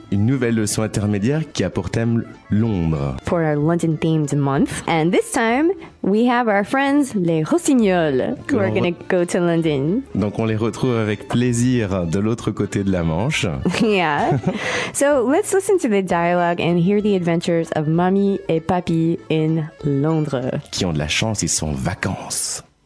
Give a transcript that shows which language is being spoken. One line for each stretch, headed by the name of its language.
French: Une nouvelle leçon intermédiaire qui a pour thème Londres.
English: For our London themed month. And this time, we have our friends les Rossignols who are gonna go to London.
French: Donc on les retrouve avec plaisir de l'autre côté de la Manche.
English: Yeah. So let's listen to the dialogue and hear the adventures of Mommy et Papy in Londres.
French: Qui ont de la chance, ils sont en vacances.